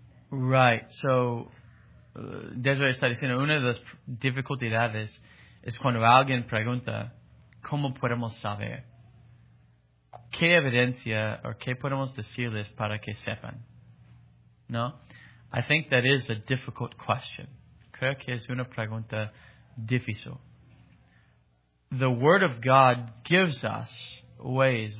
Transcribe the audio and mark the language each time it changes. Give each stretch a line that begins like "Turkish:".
Spanish: Right, so Desiree está diciendo, una de las dificultades es cuando alguien pregunta, ¿cómo podemos saber? ¿Qué evidencia o qué podemos decirles para que sepan? ¿No?
English: I think that is a difficult question.
Spanish: Creo que es una pregunta difícil.
English: The Word of God gives us ways.